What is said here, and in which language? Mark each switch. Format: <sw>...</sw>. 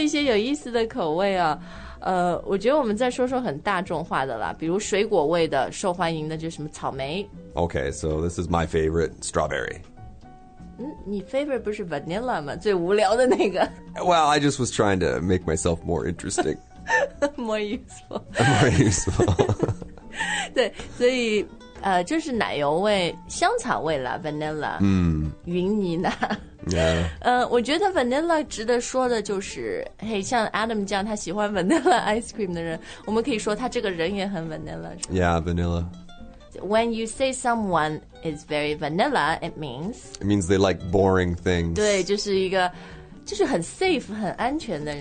<zh>好,说了一些有意思的口味啊。我觉得我们再说说很大众化的啦,比如水果味的,受欢迎的就是什么草莓。</zh> <en>Okay, so this is my favorite, strawberry.</en> <zh>你 favorite 不是 vanilla 吗？最无聊的那个。</zh> <en>Well, I just was trying to make myself more interesting. more useful. more useful.</en> <zh>对，所以就是奶油味、香草味啦 ，vanilla，嗯，云泥呢？</zh> <en>Yeah.</en> <zh>我觉得 vanilla 值得说的就是，嘿，像 Adam 这样，他喜欢 vanilla ice cream 的人，我们可以说他这个人也很 vanilla。</zh> <en>Yeah, vanilla. When you say someone is very vanilla, it means... It means they like boring things.</en> <zh>对,就是很 safe, 很安全的人。</zh>